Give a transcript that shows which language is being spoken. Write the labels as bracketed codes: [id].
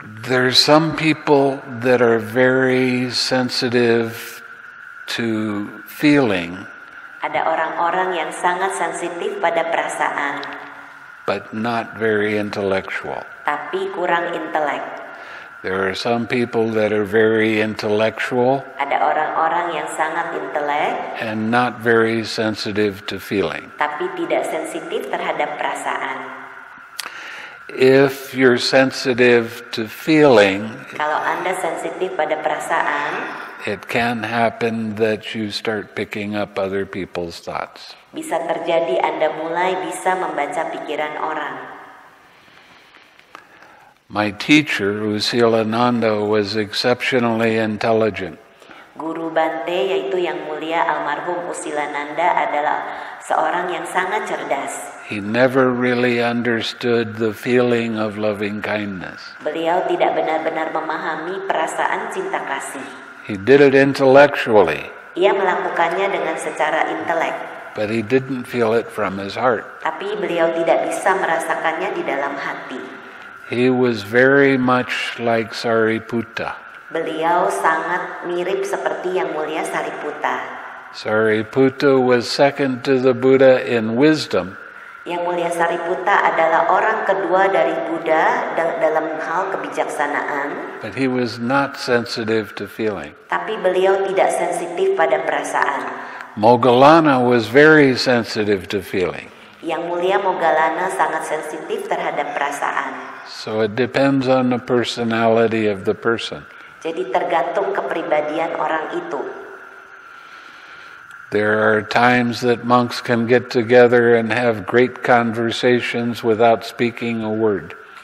[en] There's some people that are very sensitive to feeling. [id] Ada orang-orang yang sangat sensitif pada perasaan. [en] But not very intellectual. [id] Tapi kurang intelek. [en] There are some people that are very intellectual. [id] Ada orang-orang yang sangat intelek. [en] And not very sensitive to feeling. [id] Tapi tidak sensitif terhadap perasaan. [en] If you're sensitive to feeling, [id] kalau Anda sensitif pada perasaan, [en] it can happen that you start picking up other people's thoughts. [id] Bisa terjadi Anda mulai bisa membaca pikiran orang. [en] My teacher, Usilananda, was exceptionally intelligent. [id] Guru Bhante, yaitu yang mulia almarhum Usilananda, adalah seorang yang sangat cerdas. [en] He never really understood the feeling of loving kindness. [id] Beliau tidak benar-benar memahami perasaan cinta kasih. [en] He did it intellectually. [id] Ia melakukannya dengan secara intelek. [en] But he didn't feel it from his heart. [id] Tapi beliau tidak bisa merasakannya di dalam hati. [en] He was very much like Sariputta. [id] Beliau sangat mirip seperti yang mulia Sariputta. [en] Sariputta was second to the Buddha in wisdom. [id] Yang mulia Sariputta adalah orang kedua dari Buddha dalam hal kebijaksanaan. [en] But he was not sensitive to feeling. [id] Tapi beliau tidak sensitif pada perasaan. [en] Moggallana was very sensitive to feeling. [id] Yang mulia Moggallana sangat sensitif terhadap perasaan. [en] So it depends on the personality of the person. [id] Jadi tergantung kepribadian orang itu. [en] There are times that monks can get together and have great conversations without speaking a word.